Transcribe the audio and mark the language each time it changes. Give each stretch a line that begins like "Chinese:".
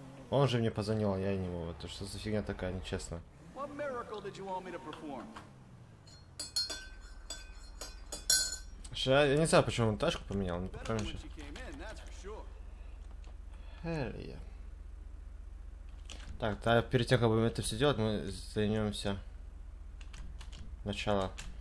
Russian: Он же мне позвонил, а я не могу. Это что за фигня такая, нечестно.
English: What miracle did you want me to perform?
Russian: Сейчас, я не знаю, почему он тачку поменял, но покажем сейчас.
English: Hell yeah.
Russian: Так, да, перед тем, как будем это все делать, мы займемся начало.